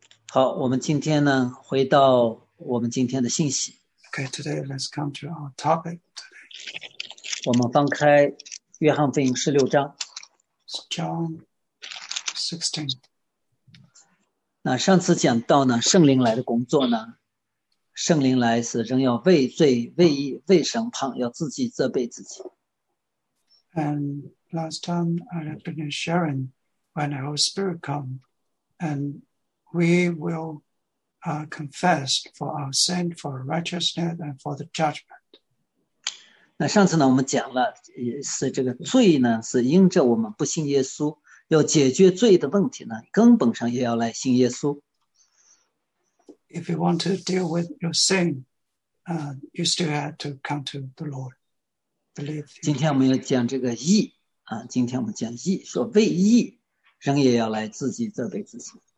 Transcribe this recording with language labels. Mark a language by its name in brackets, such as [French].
[Chinese] 好，我们今天呢，回到我们今天的信息。 [English] Okay, today let's come to our topic [Chinese] 我们翻开《约翰福音》16章。 [English] John 16. [Chinese] 那上次讲到呢，圣灵来的工作呢，圣灵来是仍要畏罪、畏义、畏审判，要自己责备自己。 [English] And last time I have been sharing when the Holy Spirit comes, and we will confess for our sin, for righteousness, and for the judgment. [Chinese] 那上次呢，我们讲了，是这个罪呢，是因着我们不信耶稣，要解决罪的问题呢，根本上也要来信耶稣。 [English] If you want to deal with your sin, you still have to come to the Lord. [Chinese] 今天我们要讲这个义啊，今天我们讲义，说为义，仍也要来自己责备自己。